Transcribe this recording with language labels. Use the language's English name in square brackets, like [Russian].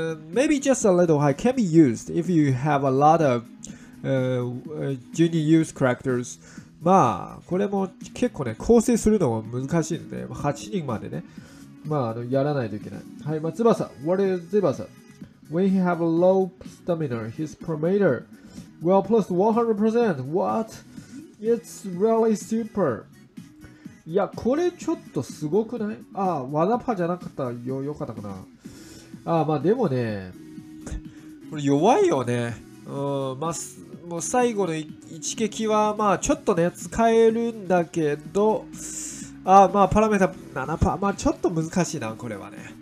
[English] Maybe just a little high can be used if you have a lot of junior youth characters. [Japanese] まあこれも結構ね構成するのも難しいんで、8人までね、まあやらないといけない。はい、まあ翼、 [English] What is [Japanese] 翼? [English] When he have a low stamina, his parameter will plus 100%. What? It's really super. [Japanese] いや、これちょっとすごくない？あ、ワダパじゃなかったらよかったかな。あ、まあでもね、これ弱いよね。まあ、もう最後の一撃は、まあちょっとね、使えるんだけど、あ、まあパラメータ 7%、まあちょっと難しいな、これはね。